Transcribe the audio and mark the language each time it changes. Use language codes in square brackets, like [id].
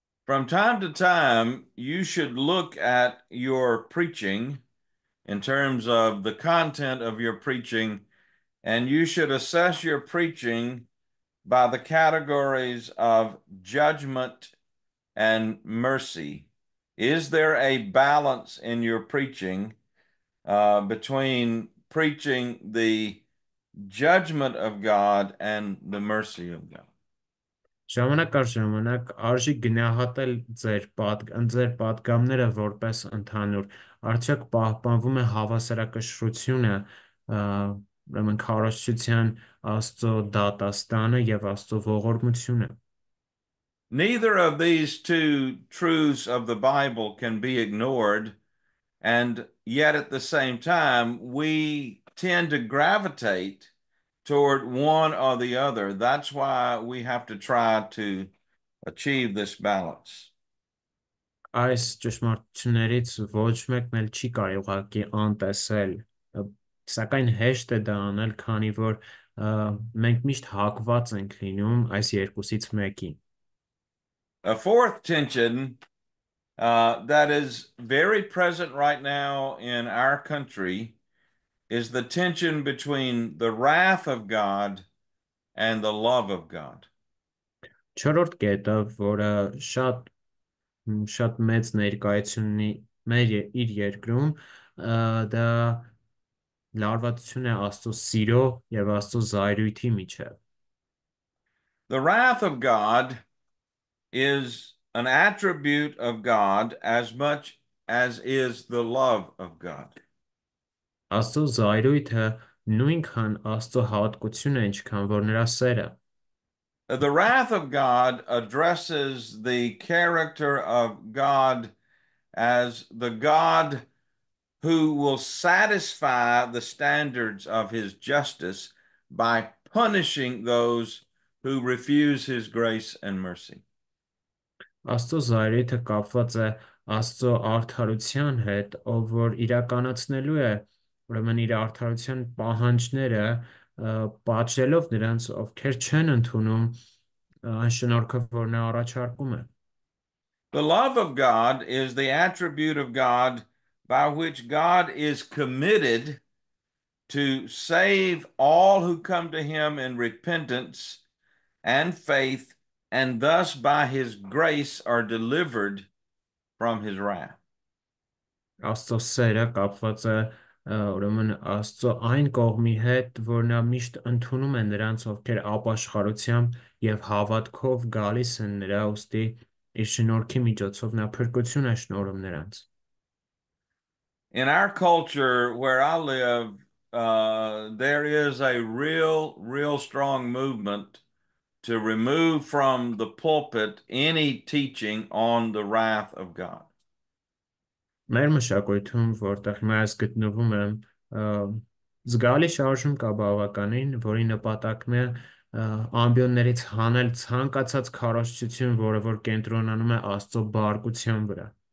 [en] From time to time, you should look at your preaching in terms of the content of your preaching, and you should assess your preaching by the categories of judgment and mercy. Is there a balance in your preaching between preaching the judgment of God and the mercy of God? [hy] Ժամանակ առ ժամանակ արժի գնահատել ձեր պատգամները որպես ընդհանուր, արդյոք պահպանվում է հավասարակշռությունը, ուրեմն քարոզչության Աստծո դատաստանը եւ Աստծո ողորմությունը։ [en] Neither of these two truths of the Bible can be ignored, and yet at the same time we tend to gravitate toward one or the other. That's why we have to try to achieve this balance. [hy] Այս ճշմարտություններից ոչ մեկն էլ չի կարողակի անտեսել, սակայն հեշտ է դա անել, քանի որ մենք միշտ հակված ենք լինում այս երկուսից մեկի։ [en] A fourth tension that is very present right now in our country is the tension between the wrath of God and the love of God. [hy] Չորրորդ կետը, որը շատ մեծ ներկայություն ունի իր երկրում, դա լարվածություն է Աստծո սիրո եւ Աստծո զայրույթի միջեւ։ [en] The wrath of God is an attribute of God as much as is the love of God. [hy] Աստծո զայրույթը նույնքան Աստծո հատկությունն է, ինչքան որ նրա սերը։ [en] The wrath of God addresses the character of God as the God who will satisfy the standards of his justice by punishing those who refuse his grace and mercy. [hy] Աստծո զայրույթը կապված է Աստծո արդարության հետ, ով որ իրականացնելու է, ուրեմն իր արդարության պահանջները, պատժելով նրանց, ովքեր չեն ընդունում այն շնորհքը, որ նա առաջարկում է։ [en] The love of God is the attribute of God by which God is committed to save all who come to him in repentance and faith, and thus by his grace are delivered from his wrath. [hy] Աստծո սերը կապված է, ուրեմն, Աստծո այն կողմի հետ, որ նա միշտ ընդունում է նրանց, ովքեր ապաշխարությամբ եւ հավատքով գալիս են նրա ուստի, իր շնորհքի միջոցով նա փրկություն է շնորհում նրանց։ [en] In our culture where I live, there is a real strong movement to remove from the pulpit any teaching on the wrath of God. [hy] Մեր մշակույթում, որտեղ հիմա ես գտնվում եմ, զգալի շարժում կա բավականին, որի նպատակն է ամբիոններից հանել ցանկացած խարոշչություն, որը որ կենտրոնանում է Աստծո բարգության վրա.